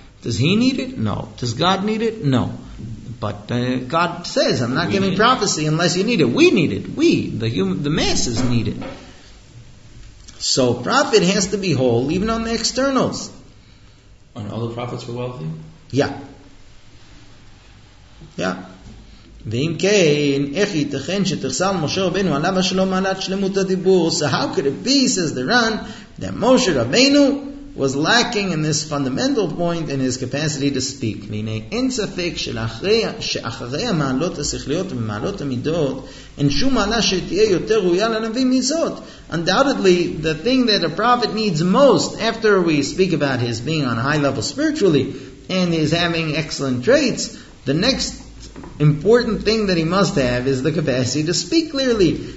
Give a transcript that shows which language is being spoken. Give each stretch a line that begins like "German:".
English: Does he need it? No. Does God need it? No. But God says, I'm not giving prophecy unless you need it. We need it. We, the masses need it. So prophet has to be whole, even on the externals. And all the prophets were wealthy? Yeah. Yeah.
Hebrew: ואם כן, איך ייתכן שתחסל משה רבנו עליו השלום מעלת שלמות הדיבור?
English: So how could it be, says the Ran, that Moshe Rabbeinu was lacking in this fundamental point in his capacity to speak?
Hebrew: והנה אין ספק שאחרי המעלות השכליות ומעלות המידות, אין שום מעלה שתהיה יותר ראויה לנביא מזאת.
English: Undoubtedly, the thing that a prophet needs most after we speak about his being on a high level spiritually and his having excellent traits, the next important thing that he must have is the capacity to speak clearly.